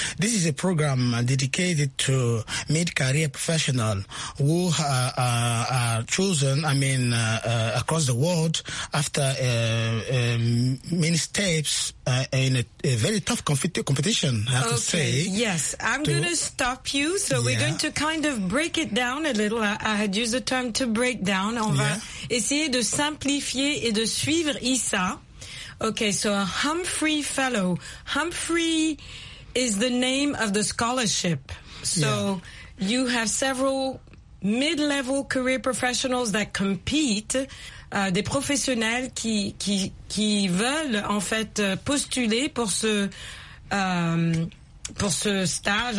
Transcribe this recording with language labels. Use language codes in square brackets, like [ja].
[en] This is a program dedicated to mid-career professionals who are chosen across the world after many steps in a very tough competition, I have okay. to say. Yes, I'm going to stop you. So yeah. We're going to kind of break it down a little. I had used the term to break down. [fr] On va essayer de simplifier et de suivre Issa. [en] Okay, so a Humphrey Fellow. Humphrey is the name of the scholarship. So you have several mid-level career professionals that compete. [fr] Des professionnels qui veulent en fait postuler pour ce stage.